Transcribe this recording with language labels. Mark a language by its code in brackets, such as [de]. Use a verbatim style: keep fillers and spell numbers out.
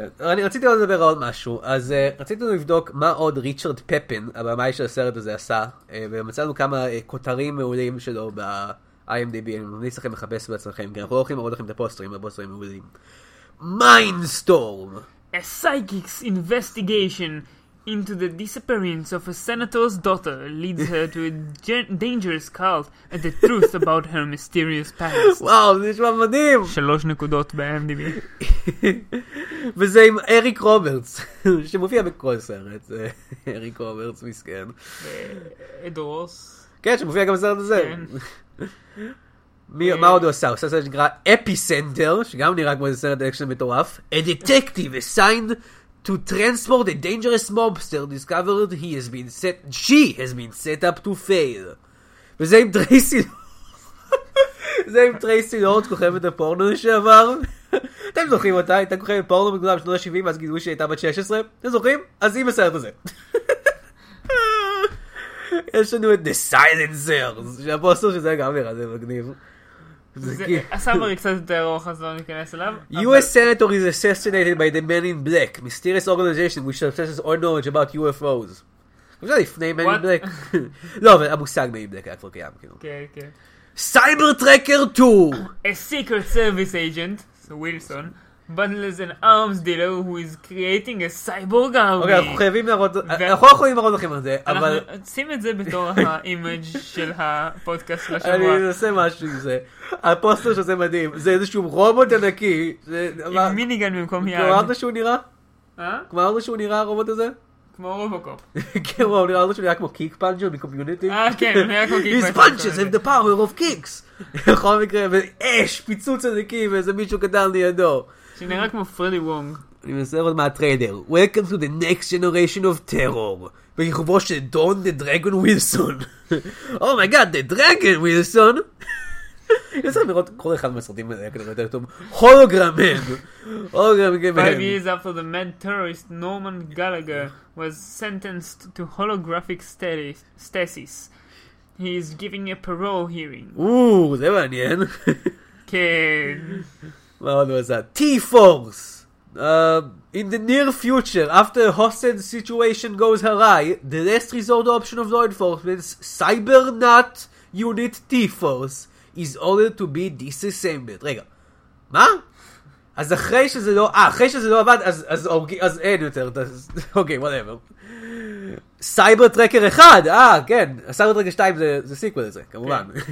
[he] אני רציתי עוד לדבר על משהו, אז רציתי לבדוק מה עוד ריצ'רד פפין, הבמאי של הסרט הזה, עשה, ומצאנו כמה כותרים מעולים שלו ב-איי אם די בי, אני ממליץ לכם לחפש בעצמכם, כי אנחנו לא הולכים לראות לכם את הפוסטרים, הפוסטרים מעולים. [en] Mindstorm! A psychic's investigation into the disappearance of a senator's daughter leads her to a gen- dangerous cult and the truth about her mysterious past. [he] וואו, זה נשמע מדהים. שלוש נקודות ב-IMDb. וזה עם אריק רוברטס, שמופיע בכל סרט. אריק רוברטס מסכן. אדרוס. כן, שמופיע גם בסרט הזה. מה עוד הוא עשה? הוא עשה סרט שנקרא Epicenter, שגם נראה כמו איזה סרט אקשן מטורף. [en] A detective assigned to transport a dangerous mobster discovered he has been set she has been set up to fail. [he] וזה עם טרייסי זה עם טרייסי לורד, כוכבת הפורנו לשעבר. אתם זוכרים אותה? הייתה כוכבת פורנו בגדולה בשנות ה-שבעים, אז גילו שהייתה בת שש עשרה. אתם זוכרים? אז היא בסרט הזה. יש לנו את The Silencers, שהפוסטר שזה גם נראה, זה מגניב. הסאמרי קצת יותר ארוך, אז לא ניכנס אליו. [en] U S Senator is assassinated by the Men in Black, mysterious organization which obsesses all knowledge about U F Os. [he] זה לפני Men in Black. לא, אבל המושג Men in Black היה כבר קיים. כן, כן. [en] Cyber Tracker two! A secret service agent, Wilson, bundles an arms dealer who is creating a cyborg army. [he] אוקיי, אנחנו חייבים להראות, אנחנו לא יכולים להראות לכם על זה, אבל אנחנו שים את זה בתור האימג' של הפודקאסט של השבוע. אני אעשה משהו עם זה. הפוסטר שזה מדהים, זה איזשהו רובוט ענקי. עם מיניגן במקום יד. כמו אמרת שהוא נראה? כמו אמרת שהוא נראה הרובוט הזה? כמו רובוקופ. כן, הוא נראה שהוא נראה כמו קיק פאנג'ר מקומיוניטי. אה, כן, הוא נראה כמו קיק פאנג'ר. [en] His punches have the power of kicks. [he] בכל מקרה, ואש, פיצוץ ענקי ואיזה מישהו קטן לידו. שנראה כמו פרדי וונג. אני מנסה עוד מהטריידר. [en] Welcome to the next generation of terror. [he] בכיכובו של דון דה דרגון ווילסון. [en] Oh my god, [he] דה דרגון ווילסון. אני רוצה לראות כל אחד מהסרטים האלה כנראה יותר טוב. הולוגרמן. הולוגרמן. [en] Five years after the mad terrorist Norman Gallagher was sentenced to holographic stasis. He is giving a parole hearing. [he] או, זה מעניין. כן. מה עוד הוא עשה? T-Force! [en] In the near future, after a hostage situation goes awry, the last resort option of law enforcement's Cybernaut Unit T-Force is ordered to be disassembled. [he] רגע, מה? אז אחרי שזה לא, אה, אחרי שזה לא עבד, אז, אז, אז אין יותר, אוקיי, whatever. סייבר טרקר אחד, אה, כן, סייבר טרקר שתיים זה סיקוול הזה, כמובן.